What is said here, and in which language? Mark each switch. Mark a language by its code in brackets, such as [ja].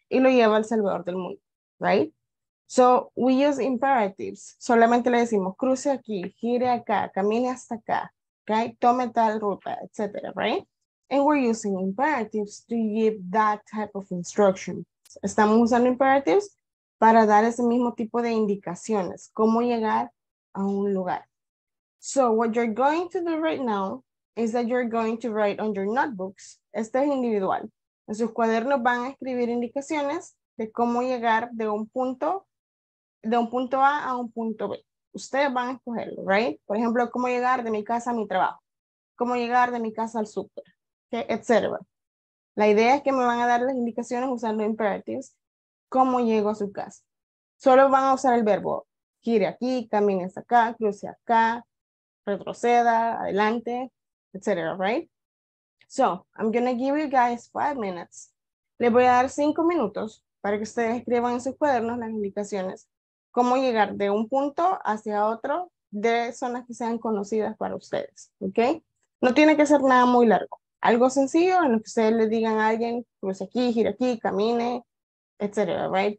[es] Y lo lleva al Salvador del Mundo, [en] right? So we use imperatives. [es] Solamente le decimos, cruce aquí, gire acá, camine hasta acá, okay? Tome tal ruta, etc., right? [en] And we're using imperatives to give that type of instruction. [es] Estamos usando imperatives para dar ese mismo tipo de indicaciones, cómo llegar a un lugar. [en] So what you're going to do right now is that you're going to write on your notebooks. [es] Este es individual. En sus cuadernos van a escribir indicaciones de cómo llegar de un punto A a un punto B. Ustedes van a escogerlo, right? Por ejemplo, cómo llegar de mi casa a mi trabajo, cómo llegar de mi casa al súper, okay, etc. La idea es que me van a dar las indicaciones usando imperatives. ¿Cómo llego a su casa? Solo van a usar el verbo. Gire aquí, camine hasta acá, cruce acá, retroceda, adelante, etc. Right? [en] So, I'm going to give you guys 5 minutes. [es] Les voy a dar 5 minutos para que ustedes escriban en sus cuadernos las indicaciones. ¿Cómo llegar de un punto hacia otro de zonas que sean conocidas para ustedes? ¿Ok? No tiene que ser nada muy largo. Algo sencillo en lo que ustedes le digan a alguien, cruce aquí, gire aquí, camine, etc. Right?